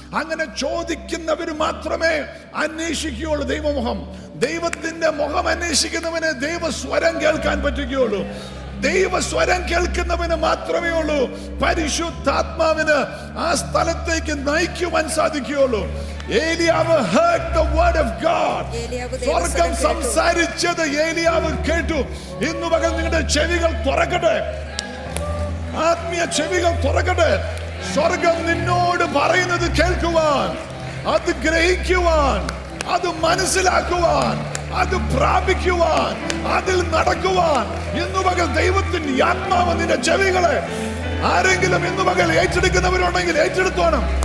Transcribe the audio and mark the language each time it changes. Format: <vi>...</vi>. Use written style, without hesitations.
<ml>അങ്ങനെ ചോദിക്കുന്നവർ മാത്രമേ അന്വേഷിക്കുകയുള്ളൂ ദൈവമുഖം. ദൈവത്തിന്റെ മുഖം അന്വേഷിക്കുന്നവനെ ദൈവസ്വരം കേൾക്കാൻ പറ്റുകയുള്ളൂ. ദൈവസ്വരം കേൾക്കുന്നവന് മാത്രമേ ഉള്ളൂ പരിശുദ്ധാത്മാവിന് ആ സ്ഥലത്തേക്ക് നയിക്കുവാൻ സാധിക്കുകയുള്ളൂ.</ml> <en>ഏലിയാവ് heard the word of God.</en> <ml>സ്വർഗം സംസാരിച്ചത് ഏലിയാവ് കേട്ടു. ഇന്നു പകൽ നിങ്ങളുടെ ചെവികൾ തുറക്കട്ടെ, ആത്മീയ ചെവികൾ തുറക്കട്ടെ. സ്വർഗം നിന്നോട് പറയുന്നത് കേൾക്കുവാൻ, അത് ഗ്രഹിക്കുവാൻ, അത് മനസ്സിലാക്കുവാൻ, അത് പ്രാപിക്കുവാൻ, അതിൽ നടക്കുവാൻ ഇന്നു പകൽ ദൈവത്തിന്റെ ആത്മാവ് നിന്റെ ചെവികളെ, ആരെങ്കിലും ഇന്നു പകൽ ഏറ്റെടുക്കുന്നവരുണ്ടെങ്കിൽ ഏറ്റെടുത്തോണം.</ml>